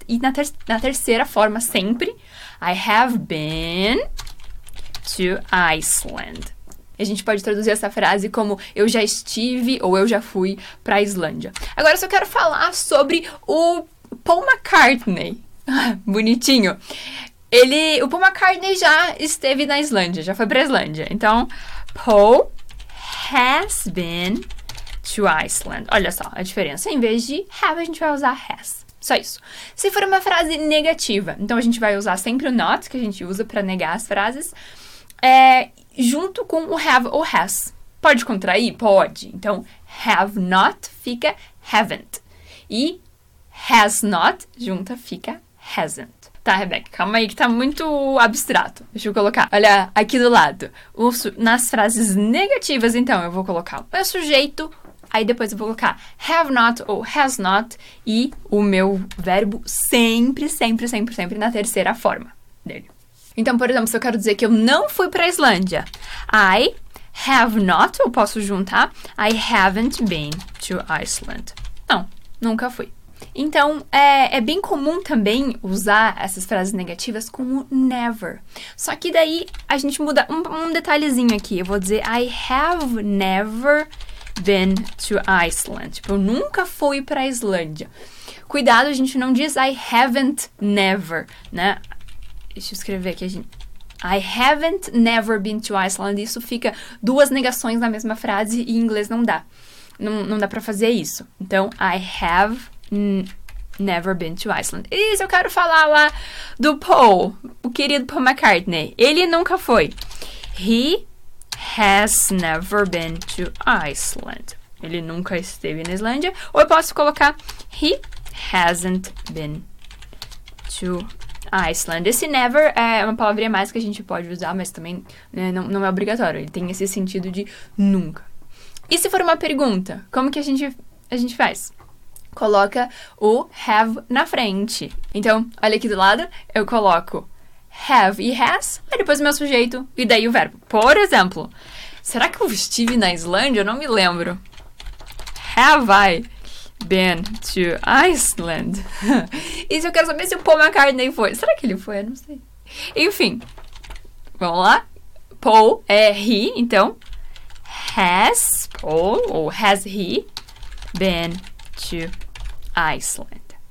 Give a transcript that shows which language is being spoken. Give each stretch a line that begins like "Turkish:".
Portuguese: E na terceira forma, sempre.
English: I have been to Iceland.
Portuguese: A gente pode traduzir essa frase como eu já estive ou eu já fui para a Islândia. Agora, eu só quero falar sobre o Paul McCartney. Bonitinho. O Paul McCartney já esteve na Islândia, já foi para a Islândia.
English: Então, Paul has been to Iceland.
Portuguese: Olha só a diferença. Em vez de have, a gente vai usar has. Só isso. Se for uma frase negativa, então a gente vai usar sempre o not, que a gente usa para negar as frases, junto com o have ou has. Pode contrair? Pode. Então, have not fica haven't. E has not, junta, fica hasn't. Tá, Rebeca, calma aí que tá muito abstrato. Deixa eu colocar. Olha, aqui do lado. Nas frases negativas, então, eu vou colocar o meu sujeito. Aí depois eu vou colocar have not ou has not. E o meu verbo sempre na terceira forma dele. Então, por exemplo, se eu quero dizer que eu não fui pra Islândia.
English: I have not,
Portuguese: eu posso juntar.
English: I haven't been to Iceland.
Portuguese: Não, nunca fui. Então, é bem comum também usar essas frases negativas como never. Só que daí a gente muda um detalhezinho aqui. Eu vou dizer
English: I have never been to Iceland.
Portuguese: Tipo, eu nunca fui para a Islândia. Cuidado, a gente não diz
English: I haven't never,
Portuguese: né? Deixa eu escrever aqui.
English: I haven't never been to Iceland.
Portuguese: Isso fica duas negações na mesma frase e em inglês não dá. Não dá para fazer isso.
English: Então, I have never been to Iceland.
Portuguese: Isso, eu quero falar lá do Paul, o querido Paul McCartney. Ele nunca foi.
English: He has never been to Iceland.
Portuguese: Ele nunca esteve na Islândia. Ou eu posso colocar
English: he hasn't been to Iceland.
Portuguese: Esse never é uma palavrinha mais que a gente pode usar, mas também não é obrigatório. Ele tem esse sentido de nunca. E se for uma pergunta, como que a gente faz? Coloca o have na frente. Então, olha aqui do lado, eu coloco have e has, aí depois o meu sujeito e daí o verbo. Por exemplo, será que eu estive na Islândia? Eu não me lembro.
English: Have I been to Iceland?
Portuguese: E se eu quero saber se o Paul McCartney foi? Será que ele foi? Eu não sei. Enfim, vamos lá.
English: Paul é he, então has Paul ou has he been to Iceland.